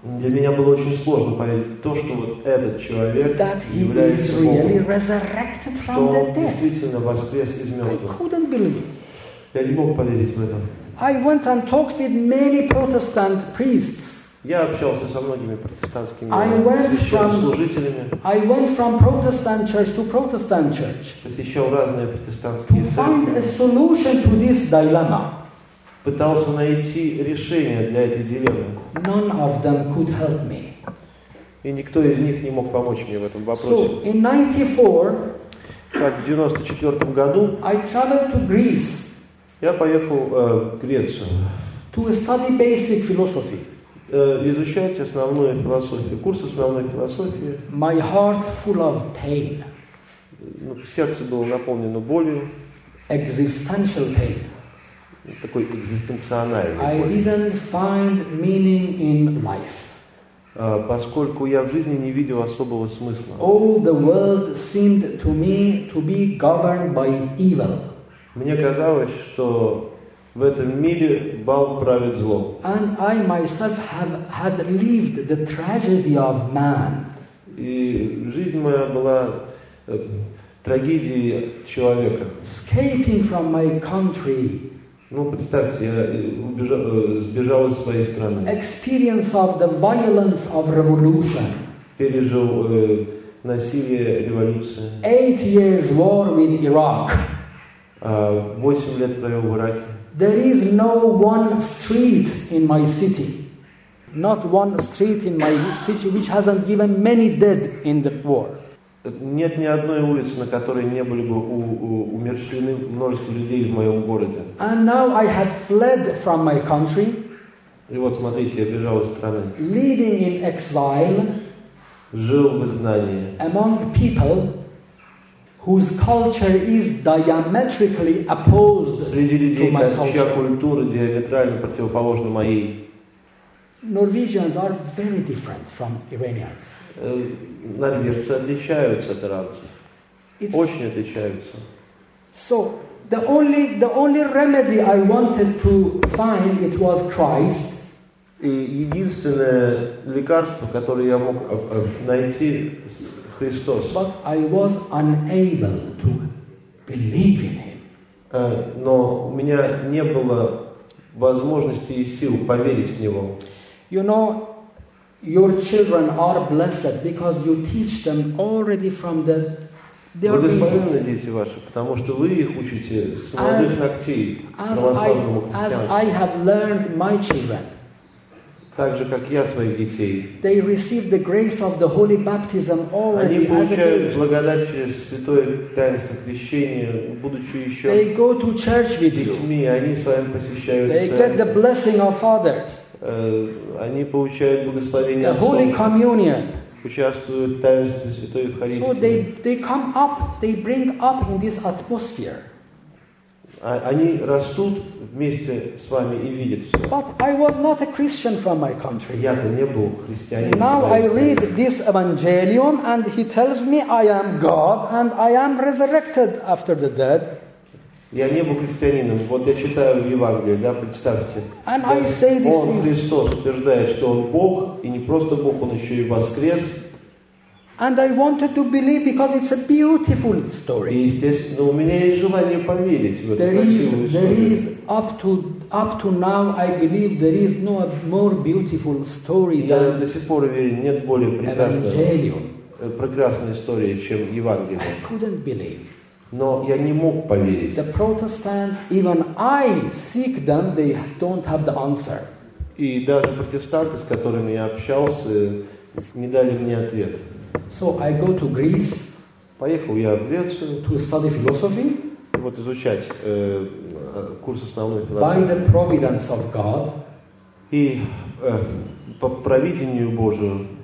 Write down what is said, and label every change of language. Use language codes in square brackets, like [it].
[ru] Для меня было очень сложно поверить то, что вот этот человек [en] that [ru] является Богом, [en] really resurrected from [ru] что [en] the dead. [ru] Он действительно воскрес из мертвых. [en] I couldn't believe. [ru] Я не мог поверить в этом. [en] I went and talked with many Protestant priests. [ru] Я общался со многими протестантскими священнослужителями. [en] I went from Protestant church to Protestant church. [ru] Посещал разные протестантские церкви. [en] To find a solution to this dilemma. [ru] Пытался найти решение для этой дилеммы. [en] None of them could help me. [ru] И никто из них не мог помочь мне в этом вопросе. [en] So, in 94, [ru] в 94 году, [en] I traveled to Greece. [ru] Я поехал в Грецию. [en] To study basic philosophy. [ru] Изучать основную философию, курс основной философии. [en] My heart full of pain. [ru] Ну, сердце было наполнено болью. [en] Existential pain. [ru] Такой экзистенциональный. [en] I didn't find meaning in life. [ru] Поскольку я в жизни не видел особого смысла. [en] All the world seemed to me to be governed by evil. [ru] Мне казалось, что в этом мире бал правит зло. [en] And I myself had lived the tragedy of man. [ru] И жизнь моя была трагедией человека. [en] Escaping from my country. [ru] Ну, представьте, я сбежал из своей страны. [en] Experience of the violence of revolution. [ru] Пережил насилие революции. [en] 8 years war with Iraq. [ru] 8 лет провел в Ираке. [en] There is no one street in my city. Not one street in my city which hasn't given many dead in the war. [ru] Нет ни одной улицы, на которой не были бы умершлены множество людей в моем городе. [en] And now I had fled from my country. [ru] И вот смотрите, я бежал из страны. [en] Living in exile. [ru] Жил в изгнании. [en] Among people whose culture is diametrically opposed [ru] среди людей, [en] to my culture. [ru] Чья культура диаметрально противоположна моей. [en] Norwegians are very different from Iranians. [ru] Норвежцы отличаются от иранцев. Очень отличаются. [en] So, The only remedy I wanted to find it was Christ. [ru] И единственное лекарство, которое я мог найти, Христос. [en] But I was unable to believe in Him. [ru] Но у меня не было возможности и сил поверить в Него. [en] You know, your children are blessed because you teach them already from the [ru] Благословенны дети ваши, потому что вы их учите с молодых ногтей православному христианству. Так же, как я своих детей. [en] They receive the grace of the holy baptism already. [ru] Они получают благодать через святое таинство крещения, будучи еще [en] They go to church with [ru] детьми, [en] you. [ru] Они с вами посещают [en] They [ru] церковь. [en] Get the blessing of fathers. [ru] Они получают благословение [en] the holy communion. [ru] Участвуют в таинстве Святой Евхаристии. [en] So they come up, they bring up in this atmosphere. [ru] Они растут вместе с вами и видят все. [en] But I was not a Christian from my country. [ru] Я-то не был христианином. [en] Now I read this Evangelium and he tells me I am God and I am resurrected after the dead. [ru] Я не был христианином. Вот я читаю Евангелие, да, представьте. [en] And I say this [ru] Он, Христос, утверждает, что Он Бог, и не просто Бог, Он еще и воскрес. [en] And I wanted to believe because it's a beautiful story. [ru] И, естественно, у меня есть желание поверить в эту [en] there [ru] красивую историю. [en] There is up to now, I believe there is no more beautiful story [ru] Я [en] than [ru] до сих пор верю, нет более прекрасной истории, чем Евангелие. [en] I couldn't believe. [ru] Но я не мог поверить. [en] The Protestants, even I seek them, they don't have the answer. [ru] И даже протестанты, с которыми я общался, не дали мне ответ. [en] So I go to Greece. [ru] Поехал я в Грецию. [en] To study philosophy. [ru] Вот изучать курс основной философии. [en] By the providence of God. [ru] И по провидению Божию.